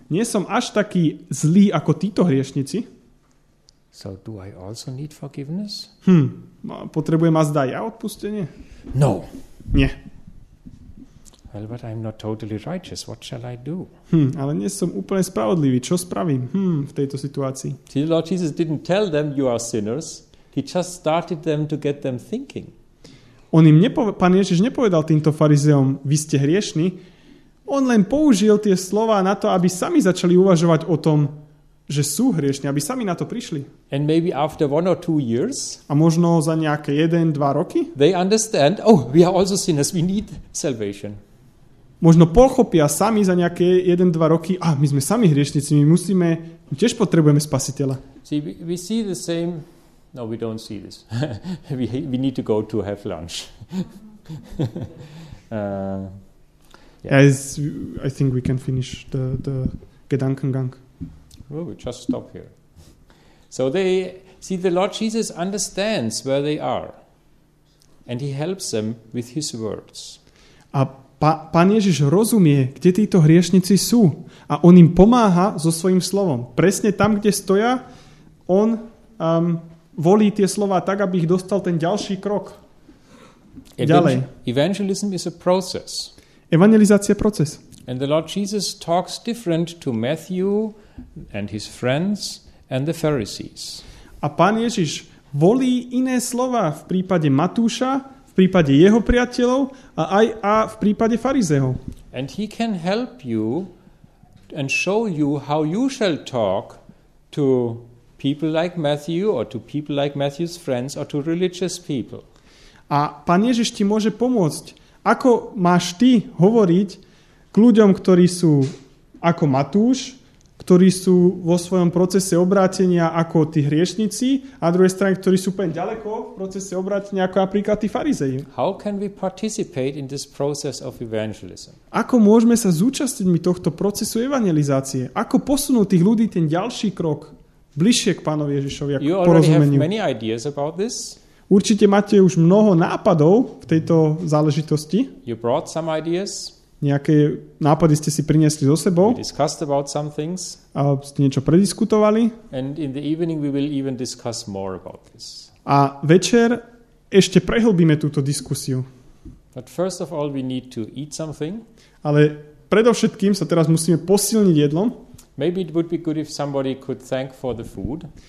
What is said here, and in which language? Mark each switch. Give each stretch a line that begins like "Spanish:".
Slovak: Nie som až taký zlý ako títo hriešnici.
English: So do I also need forgiveness?
Slovak: Potrebujem azda ja odpustenie?
English: No.
Slovak: Nie.
English: Well, but I'm not totally righteous. What shall I do?
Slovak: Ale nie som úplne spravodlivý. Čo spravím v tejto situácii?
English: See, Lord Jesus didn't tell them you are sinners. He just started them to get them thinking.
Slovak: On im pán Ježiš nepovedal týmto farizeom, vy ste hriešni. On len použil tie slova na to, aby sami začali uvažovať o tom, že sú hriešni, aby sami na to prišli.
English: And maybe after one or two years,
Slovak: a možno za nejaké 1-2 roky,
English: they understand, oh, we are also sinners, we need salvation.
Slovak: Možno pochopia sami za nejaké 1-2 roky, a my sme sami hriešnici, my musíme, my tiež potrebujeme spasiteľa.
English: See, we see the same. No, we don't see this. We need to go to have lunch. I think we can finish the Gedankengang. Well, we just stop here. So they see the Lord Jesus understands where they are, and he helps them with his words.
Slovak: A pán Ježiš rozumie, kde títo hriešnici sú, a on im pomáha so svojím slovom. Presne tam, kde stoja, on volí tie slova tak, aby ich dostal ten ďalší krok. Ďalej.
English: Evangelism is a process.
Slovak: Evangelizácia je proces.
English: And the Lord Jesus talks different to Matthew and his friends and the Pharisees.
Slovak: A pán Ježiš volí iné slova v prípade Matúša, v prípade jeho priateľov a aj a v prípade farizeov.
English: And he can help you and show you how you shall talk to people like Matthew or to people like Matthew's friends or to religious people.
Slovak: A pán Ježiš ti môže pomôcť, ako máš ty hovoriť k ľuďom, ktorí sú ako Matúš, ktorí sú vo svojom procese obrátenia ako tí hriešnici, a druhé strany, ktorí sú úplne ďaleko v procese obrátenia ako napríklad tí farizei.
English: How can we participate in this process of evangelism?
Slovak: Ako môžeme sa zúčastniť mi tohto procesu evangelizácie? Ako posunúť tých ľudí ten ďalší krok bližšie k pánovi Ježišovi, ako k porozumeniu.
English: Have many ideas about this.
Slovak: Určite máte už mnoho nápadov v tejto záležitosti.
English: You brought some ideas.
Slovak: Nejaké nápady ste si priniesli so sebou.
English: We discussed about some things.
Slovak: A ste niečo prediskutovali.
English: And in the evening we will even discuss more about this.
Slovak: A večer ešte prehlbíme túto diskusiu.
English: But first of all we need to eat something.
Slovak: Ale predovšetkým sa teraz musíme posilniť jedlom.
English: Maybe it would be good if somebody could thank for the food.